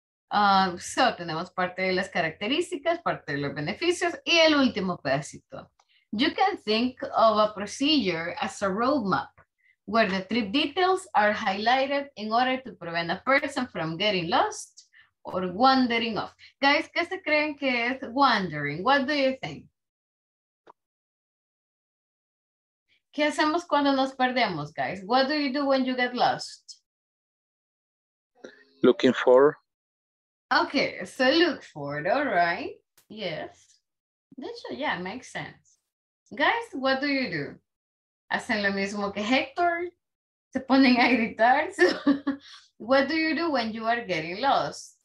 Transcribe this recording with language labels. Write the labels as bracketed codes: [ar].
[es] So, tenemos parte de las características, parte de los beneficios, y el último pedacito. [en] You can think of a procedure as a roadmap, where the trip details are highlighted in order to prevent a person from getting lost or wandering off. [es] Guys, ¿qué se creen que es wandering? [en] What do you think? [es] ¿Qué hacemos cuando nos perdemos, [en] guys? What do you do when you get lost? Looking for. Okay, so look for it, all right. Yes. Yeah, makes sense. Guys, what do you do? [es] Hacen lo mismo que Hector, se ponen a gritar. [en] So, what do you do when you are getting lost?